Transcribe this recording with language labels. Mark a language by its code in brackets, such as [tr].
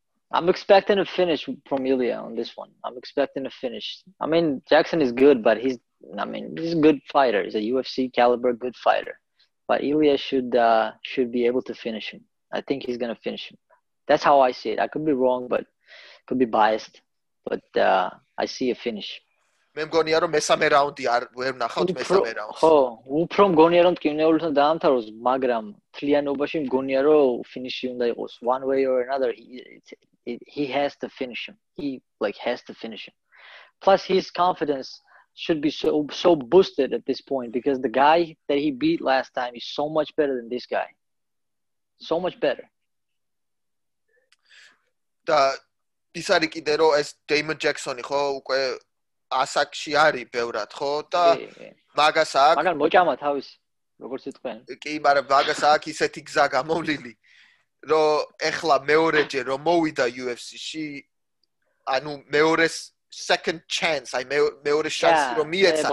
[en] I'm expecting a finish from Ilia on this one. I'm expecting a finish. I mean, Jackson is good, but he's a good fighter. He's a UFC caliber good fighter. But Ilia should be able to finish him. I think he's going to finish him. That's how I see it. I could be wrong, but could be biased. But I see a finish. [ka] მე მგონია რომ მესამე რაუნდი არ ვერ ნახავთ მესამე რაუნდს. ხო, უფრო მგონია რომ ტკივნეულთან დაამთავროს, მაგრამ თლიანობაში მგონია რომ ფინიში უნდა იყოს. [en] One way or another he has to finish him. He like has to finish him. Plus his confidence should be so boosted at this point because the guy that he beat last time is so much better than this guy. So much better. [ka] და ის არის კიდე რომ ეს დეიმონ ჯექსონი ხო უკვე ასაკში არის ბევრად ხო და მაგას აქვს მაგრამ მოჭამა თავის როგორც იტყვიან კი მაგრამ მაგას აქვს ისეთი გზა გამოვლილი რომ ეხლა მეორეჯერ რომ მოვიდა UFC-ში ანუ მეორეს [en] second chance [ka] აი მეორე შანსი რომ მიეცა